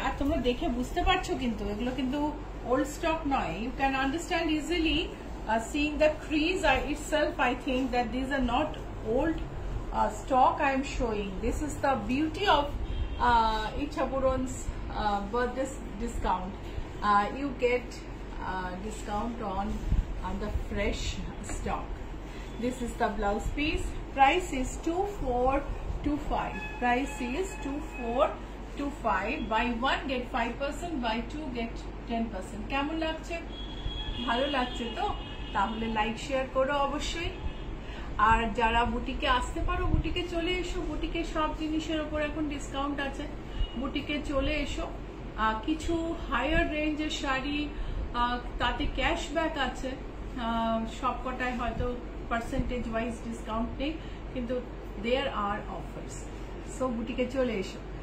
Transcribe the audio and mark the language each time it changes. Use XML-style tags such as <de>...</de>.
<bn>আর তোমরা দেখে বুঝতে পারছো কিন্তু, এগুলো কিন্তু ওল্ড স্টক নয়,</bn> <en>You can understand easily seeing the crease আর itself. I think that this are not old stock I am showing, this is the beauty of ইচ্ছা পূরণস birthday discount. You get discount on and the fresh stock. This is the blouse piece, price is 2425, price is 2425, buy one get 5%, buy two get 10%.</en> <bn>কেমন লাগছে? ভালো লাগছে তো? তাহলে like share করো অবশ্যই, আর যারা বুটিকে আসতে পারো বুটিকে চলে এসো, বুটিকে সব জিনিসের উপর এখন ডিসকাউন্ট আছে, বুটিকে চলে এসো। কিছু হায়ার রেঞ্জের শাড়ি তাতে ক্যাশ ব্যাক আছে, সব কটায় হয়তো পার্সেন্টেজ ওয়াইজ ডিসকাউন্ট নেই, কিন্তু</bn> <en>there are offers,</en> <bn>সো বুটিকে চলে এসো।</bn>